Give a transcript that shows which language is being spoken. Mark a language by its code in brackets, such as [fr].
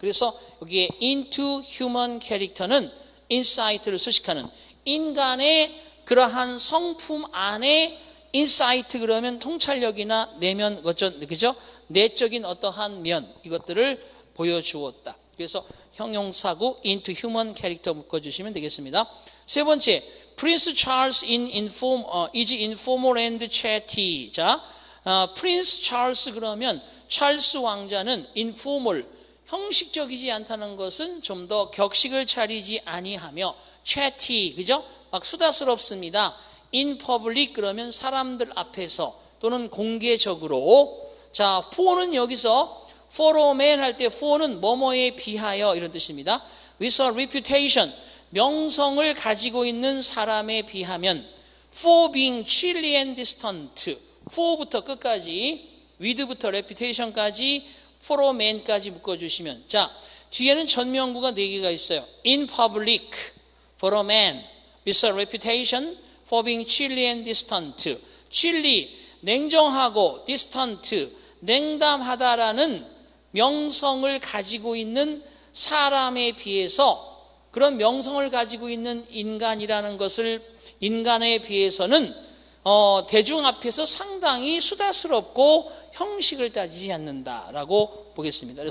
[ko] 그래서 여기에 [en] into human character [ko] 는 insight를 수식하는 인간의 그러한 성품 안에 insight 그러면 통찰력이나 내면 그죠? 내적인 어떠한 면 이것들을 보여주었다. 그래서 형용사구 [en] into human character [ko] 묶어주시면 되겠습니다. [en] 세 번째, Prince Charles is informal and chatty. [ko] 자, Prince Charles 그러면 찰스 왕자는 informal, 형식적이지 않다는 것은 좀 더 격식을 차리지 아니하며 chatty, 그죠? 막 수다스럽습니다. [en] In public [ko] 그러면 사람들 앞에서 또는 공개적으로. 자, for는 여기서 for a man 할 때 for는 뭐뭐에 비하여 이런 뜻입니다. [en] With a reputation, [ko] 명성을 가지고 있는 사람에 비하면 [en] for being chilly and distant, [ko] for부터 끝까지 with부터 reputation까지 [en] for a man [ko] 까지 묶어주시면 자 뒤에는 전명구가 네 개가 있어요. [en] In public, for a man, with a reputation, for being chilly and distant. [ko] Chilly, 냉정하고 distant, 냉담하다라는 명성을 가지고 있는 사람에 비해서 그런 명성을 가지고 있는 인간이라는 것을 인간에 비해서는 대중 앞에서 상당히 수다스럽고 형식을 따지지 않는다라고 보겠습니다.